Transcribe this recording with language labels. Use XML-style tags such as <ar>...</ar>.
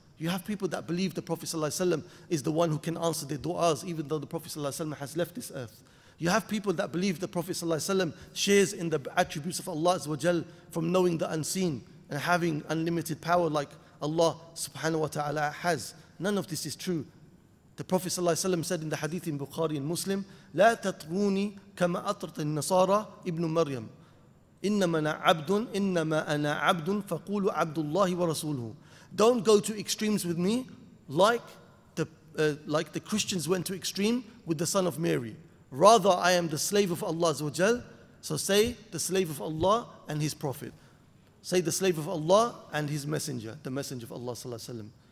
<en>You have people that believe the Prophet ﷺ is the one who can answer their du'as, even though the Prophet ﷺ has left this earth. You have people that believe the Prophet ﷺ shares in the attributes of Allah azza wa jal, from knowing the unseen and having unlimited power like Allah subhanahu wa ta'ala has. None of this is true.</en> <ar>The Prophet ﷺ said in the hadith in Bukhari and Muslim, لا تطروني كما أطرت النصارى ابن مريم إنما أنا عبد فقولوا عبد الله ورسوله.</ar> <en>Don't go to extremes with me like the Christians went to extreme with the son of Mary. Rather, I am the slave of Allah azza wa jal, so say the slave of Allah and his prophet. Say the slave of Allah and his messenger, the messenger of Allah sallallahu alayhi wa sallam.</en>